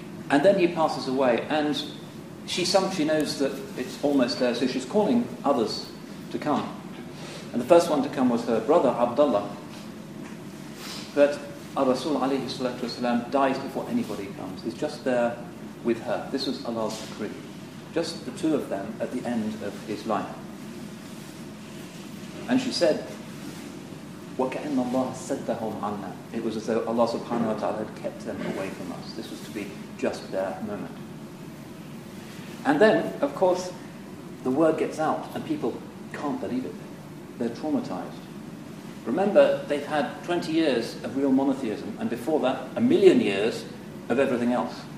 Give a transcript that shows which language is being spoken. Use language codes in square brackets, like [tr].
[en] And then he passes away, and she knows that it's almost there, so she's calling others to come. And the first one to come was her brother, Abdullah. But Rasul alayhi salatu wasalam dies before anybody comes. He's just there with her. This was Allah's decree. Just the two of them at the end of his life. And she said, [ar] وَكَأَنَّ اللَّهَ سَدَّهُمْ عَنَّا. [en] It was as though Allah subhanahu wa ta'ala had kept them away from us. This was to be just their moment. And then, of course, the word gets out and people can't believe it. They're traumatized. Remember, they've had 20 years of real monotheism, and before that, a million years of everything else.